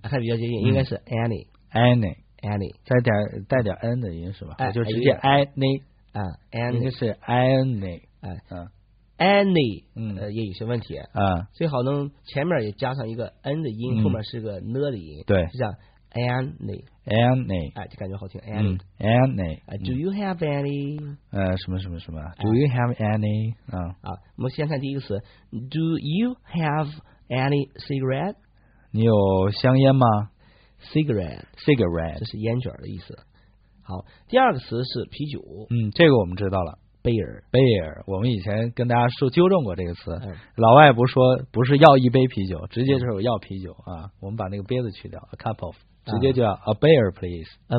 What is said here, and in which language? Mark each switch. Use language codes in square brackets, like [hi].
[zh] 它比较接近，应该是 any [en] any。 any [zh] 再带点 n 的音是吧？就直接 any [en] 啊 ，any [zh] 是 any 哎 ，any 也有些问题啊，最好能前面也加上一个 n 的音，后面是个 n 的音，对，是这样 [en] any [zh] 哎，就感觉好听 any 啊 ， [en] do you have any [zh] 什么什么什么 ， [en] do you have any [zh] 啊，我们先看第一个词 ， [en] do you have any cigarette？ [zh] 你有香烟吗？ Cigarette 这是烟卷的意思。好，第二个词是啤酒。这个我们知道了。 [en] Beer [zh] 我们以前跟大家说纠正过这个词，老外不是要一杯啤酒，直接就是要啤酒啊。我们把那个杯子去掉 ， [en] a cup of， [zh] 直接就叫 [en] a beer please。